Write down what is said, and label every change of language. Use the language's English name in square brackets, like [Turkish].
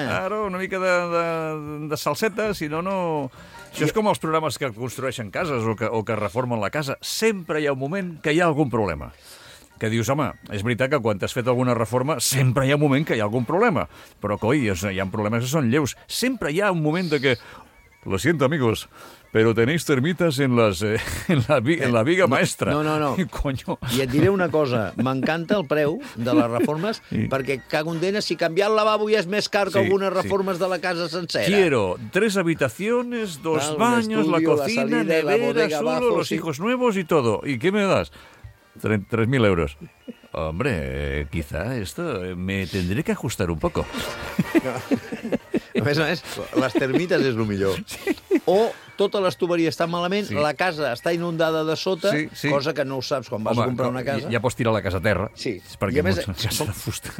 [Catalan] Claro, una mica de salseta, si no, no... Això és com els programes que construeixen cases o que reformen la casa. Sempre hi ha un moment que hi ha algun problema. Que dius, home, és veritat que quan t'has fet alguna reforma sempre hi ha un moment que hi ha algun problema. Però, coi, hi ha problemes que són lleus. Sempre hi ha un moment de que... [Spanish] Lo siento, amigos, pero tenéis termites en la viga maestra. [Catalan] No. I, coño... I et diré una cosa. M'encanta el preu de les reformes, perquè, cago en dena, si canviar el lavabo ja és més car que algunes reformes de la casa sencera. [Spanish] Quiero tres habitaciones, dos baños, la cocina, la salida, nevera, la solo, abajo, los hijos nuevos y todo. ¿Y qué me das? 3.000 euros. Hombre, quizá esto me tendré que ajustar un poco. No. [Catalan] A més, les termites és el millor. Sí. O tota l'estuberia està malament, sí. La casa està inundada de sota, sí. Cosa que no ho saps quan vas home, comprar una casa. Ja pots tirar la casa a terra. Sí. Perquè és una casa de fusta.